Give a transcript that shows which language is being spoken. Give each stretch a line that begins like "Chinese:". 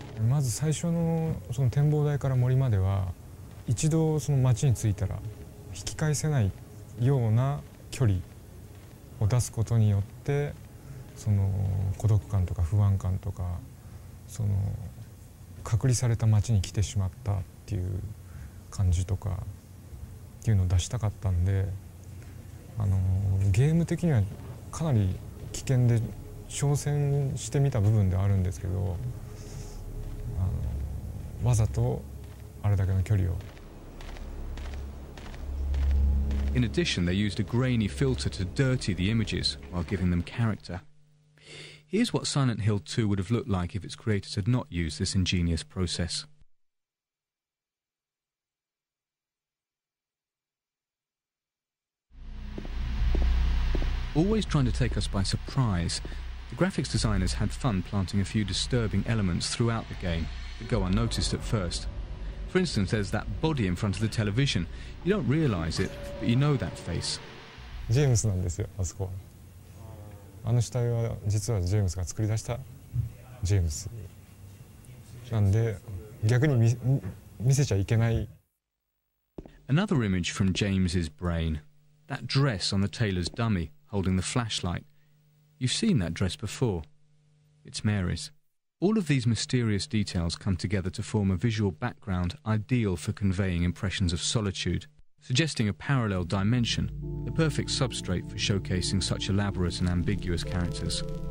Japanese: まず最初のその展望台から森までは一度その街に着いたら引き返せないような距離を出すことによってその孤独感とか不安感とかその隔離された街に来てしまったっていう感じとかっていうのを出したかったんでゲーム的にはかなり危険で挑戦してみた部分ではあるんですけど、わざとあれだけの距離を。
English: In addition, they used a grainy filter to dirty the images while giving them character. Here's what Silent Hill 2 would have looked like if its creators had not used this ingenious process. Always trying to take us by surprise, the graphics designers had fun planting a few disturbing elements throughout the game that go unnoticed at first. For instance, there's that body in front of the television. You don't realize it, but you know that face.
Japanese: ジェームスなんですよ、あそこは。あの死体は実はジェームスが作り出したジェームス。なんで逆に見せちゃいけない。
English: Another image from James's brain. That dress on the tailor's dummy holding the flashlight. You've seen that dress before. It's Mary's. All of these mysterious details come together to form a visual background ideal for conveying impressions of solitude, suggesting a parallel dimension, the perfect substrate for showcasing such elaborate and ambiguous characters.